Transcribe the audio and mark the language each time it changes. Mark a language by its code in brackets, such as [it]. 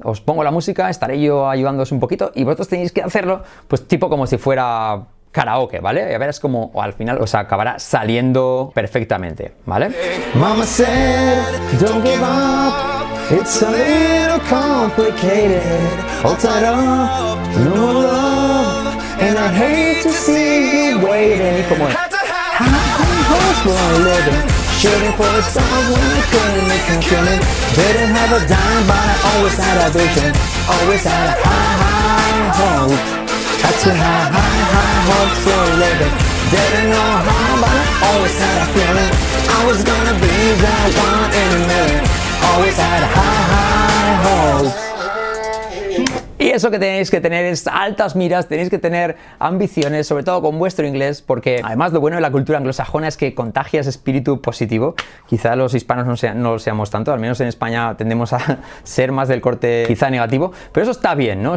[es] Os pongo la música, estaré yo ayudándoos un poquito y vosotros tenéis que hacerlo pues tipo como si fuera karaoke, ¿vale? Y a ver, es como al final os acabará saliendo perfectamente, ¿vale? [en] Mama said, don't give up, it's a little complicated. All tied up, no more love, and I hate to see you waiting. [es] ¿Cómo es? [en] High hopes for a living, shooting for the stars when I couldn't make them killing. Didn't have a dime, but I always had a vision, always had a high hope. Had to have high hopes for a living, didn't know how, but I always had a feeling I was gonna be that one in a million. Always had high hopes. [es] Y eso que tenéis que tener es altas miras, tenéis que tener ambiciones, sobre todo con vuestro inglés, porque además lo bueno de la cultura anglosajona es que contagia ese espíritu positivo. Quizá los hispanos no lo seamos tanto, al menos en España tendemos a ser más del corte quizá negativo, pero eso está bien, ¿no?